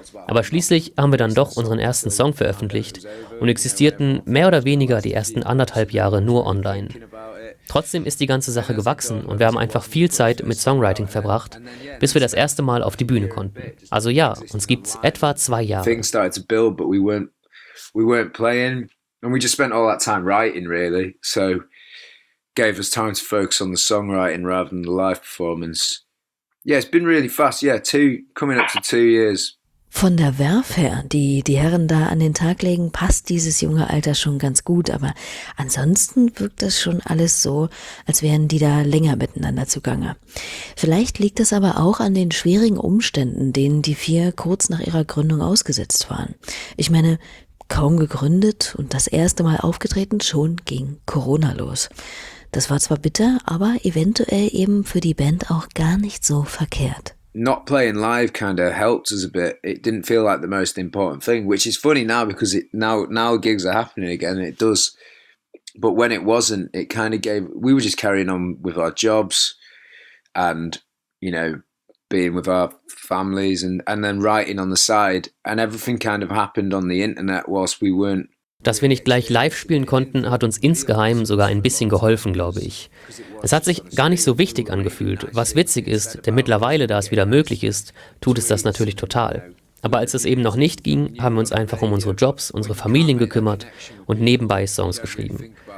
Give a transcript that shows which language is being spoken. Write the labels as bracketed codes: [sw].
[de] Aber schließlich haben wir dann doch unseren ersten Song veröffentlicht und existierten mehr oder weniger die ersten anderthalb Jahre nur online. Trotzdem ist die ganze Sache gewachsen und wir haben einfach viel Zeit mit Songwriting verbracht, bis wir das erste Mal auf die Bühne konnten. Also ja, uns gibt's etwa 2 Jahre. [en] Things started to build, but we weren't playing, and we just spent all that time writing really. So gave us time to focus on the songwriting rather than the live performance. Yeah, it's been really fast. Yeah, coming up to 2 years. [de] Von der Werf her, die die Herren da an den Tag legen, passt dieses junge Alter schon ganz gut, aber ansonsten wirkt das schon alles so, als wären die da länger miteinander zugange. Vielleicht liegt das aber auch an den schwierigen Umständen, denen die vier kurz nach ihrer Gründung ausgesetzt waren. Ich meine, kaum gegründet und das erste Mal aufgetreten, schon ging Corona los. Das war zwar bitter, aber eventuell eben für die Band auch gar nicht so verkehrt. [en] Not playing live kind of helped us a bit. It didn't feel like the most important thing, which is funny now because now gigs are happening again. It does, but when it wasn't, it kind of gave. We were just carrying on with our jobs, and you know, being with our families, and then writing on the side, and everything kind of happened on the internet whilst we weren't. [de] Dass wir nicht gleich live spielen konnten, hat uns insgeheim sogar ein bisschen geholfen, glaube ich. Es hat sich gar nicht so wichtig angefühlt, was witzig ist, denn mittlerweile, da es wieder möglich ist, tut es das natürlich total. Aber als es eben noch nicht ging, haben wir uns einfach um unsere Jobs, unsere Familien gekümmert und nebenbei Songs geschrieben.